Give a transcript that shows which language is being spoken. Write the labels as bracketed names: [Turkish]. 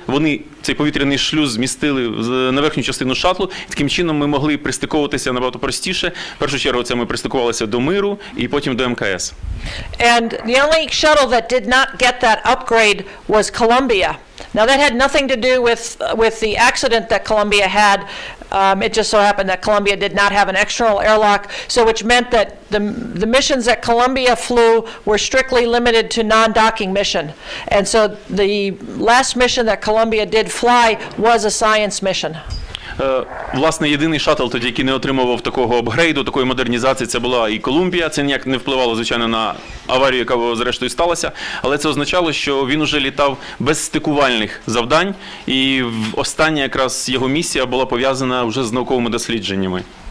[Ukrainian] Вони цей повітряний шлюз змістили на верхню частину шатлу. Таким чином ми могли пристиковуватися набагато простіше. В першу чергу це ми пристикувалися до Миру і потім до МКС. [English] And the only shuttle that did not get that upgrade was Columbia. Now that had nothing to do with the accident that Columbia had. It just so happened that Columbia did not have an external airlock, so which meant that the missions that Columbia flew were strictly limited to non-docking mission. And so the last mission that Columbia did fly was a science mission. [Ukrainian] Власне, єдиний шатл тоді, який не отримував такого апгрейду, такої модернізації, це була і Колумбія. Це ніяк не впливало, звичайно, на аварію, яка зрештою сталася, але це означало, що він уже літав без стикувальних завдань, і остання якраз його місія була пов'язана вже з науковими дослідженнями.